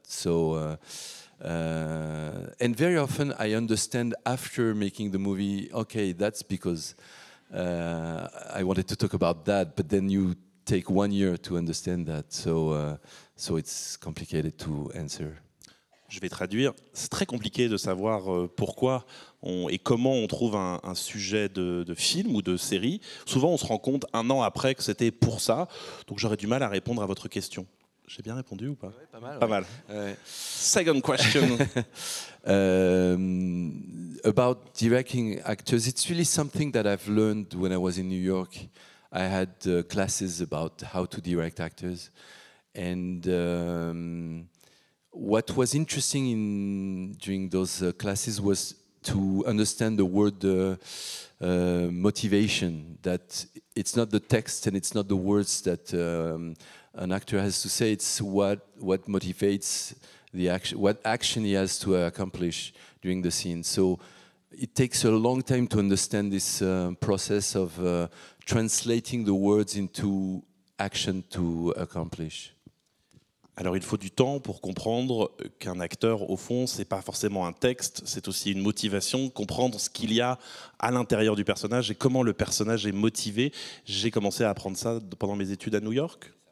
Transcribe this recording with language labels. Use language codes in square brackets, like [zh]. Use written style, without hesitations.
[en] So, and very often I understand after making the movie, okay, that's because I wanted to talk about that. But then you take 1 year to understand that, so it's complicated to answer. [fr] Je vais traduire. C'est très compliqué de savoir pourquoi et comment on trouve un sujet de film ou de série. Souvent, on se rend compte un an après que c'était pour ça. Donc, j'aurais du mal à répondre à votre question. J'ai bien répondu ou pas? Ouais, pas mal. Pas ouais. Mal. [en] Second question. About directing actors, it's really something that I've learned when I was in New York. I had classes about how to direct actors. And what was interesting during those classes was to understand the word motivation, that it's not the text and it's not the words that an actor has to say, it's what motivates the action, what action he has to accomplish during the scene. So it takes a long time to understand this process of translating the words into action to accomplish. [fr] Alors il faut du temps pour comprendre qu'un acteur, au fond, c'est pas forcément un texte, c'est aussi une motivation, comprendre ce qu'il y a à l'intérieur du personnage et comment le personnage est motivé. J'ai commencé à apprendre ça pendant mes études à New York.